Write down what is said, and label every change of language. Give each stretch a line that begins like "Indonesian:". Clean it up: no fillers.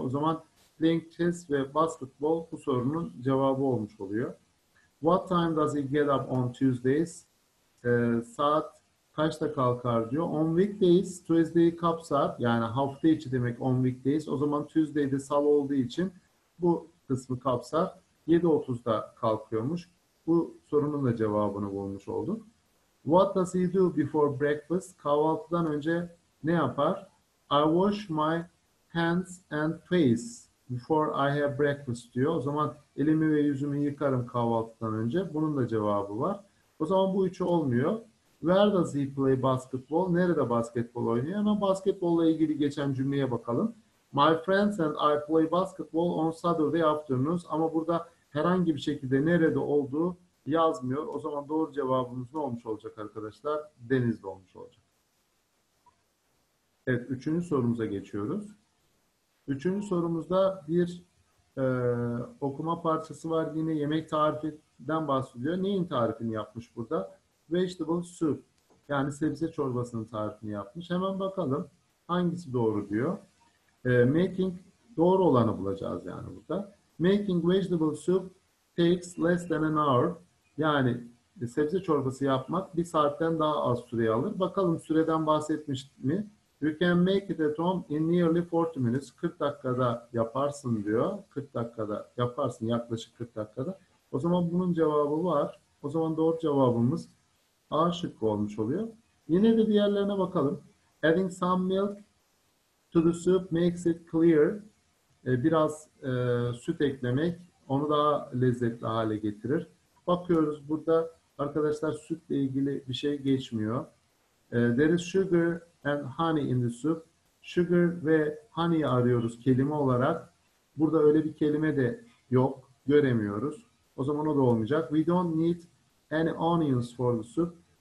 Turkish: O zaman
English: Playing chess
Turkish: ve basketbol bu sorunun cevabı olmuş oluyor.
English: What time does he get up on Tuesdays?
Turkish: Saat kaçta kalkar diyor.
English: On weekdays,
Turkish: Tuesday kapsar. Yani hafta içi demek
English: on weekdays.
Turkish: O zaman Tuesday'de salı olduğu için bu kısmı kapsar. 7:30'da kalkıyormuş. Bu sorunun da cevabını bulmuş olduk.
English: What does he do before breakfast?
Turkish: Kahvaltıdan önce ne yapar?
English: I wash my hands and face. Before I have breakfast
Turkish: diyor. O zaman elimi ve yüzümü yıkarım kahvaltıdan önce. Bunun da cevabı var. O zaman bu üçü olmuyor.
English: Where does he play basketball?
Turkish: Nerede basketbol oynuyor? Ama basketbolla ilgili geçen cümleye bakalım.
English: My friends and I play basketball on Saturday afternoons.
Turkish: Ama burada herhangi bir şekilde nerede olduğu yazmıyor. O zaman doğru cevabımız ne olmuş olacak arkadaşlar? Denizli olmuş olacak. Evet, üçüncü sorumuza geçiyoruz. Üçüncü sorumuzda bir okuma parçası var. Yine yemek tarifinden bahsediyor. Neyin tarifini yapmış burada?
English: Vegetable soup.
Turkish: Yani sebze çorbasının tarifini yapmış. Hemen bakalım hangisi doğru diyor. Making doğru olanı bulacağız yani burada.
English: Making vegetable soup takes less than an hour.
Turkish: Yani sebze çorbası yapmak bir saatten daha az süre alır. Bakalım süreden bahsetmiş mi?
English: You can make it at home in nearly 40 minutes.
Turkish: 40 dakikada yaparsın diyor. 40 dakikada yaparsın, yaklaşık 40 dakikada. O zaman bunun cevabı var. O zaman doğru cevabımız A şıkkı olmuş oluyor. Yine de diğerlerine bakalım.
English: Adding some milk to the soup makes it clear.
Turkish: Biraz süt eklemek onu daha lezzetli hale getirir. Bakıyoruz burada arkadaşlar sütle ilgili bir şey geçmiyor.
English: There is sugar and honey in the soup.
Turkish: Sugar ve honey'i arıyoruz kelime olarak. Burada öyle bir kelime de yok. Göremiyoruz. O zaman o da olmayacak.
English: We don't need any onions for the soup.